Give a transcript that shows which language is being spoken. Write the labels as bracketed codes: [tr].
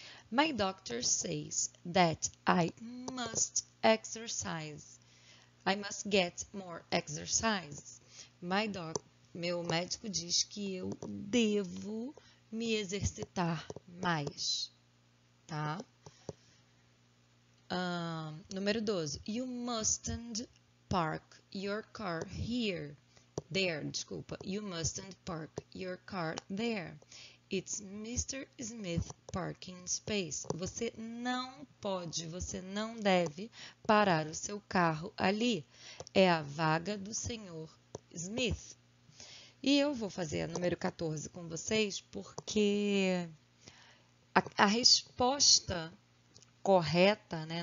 [en] My doctor says that I must get more exercise. [pt] Meu médico diz que eu devo me exercitar mais, tá? Número 12. [en] You mustn't park your car You mustn't park your car there. It's Mr. Smith parking space. [pt] Você não deve parar o seu carro ali. É a vaga do Sr. Smith. E eu vou fazer a número 14 com vocês, porque a resposta correta, né?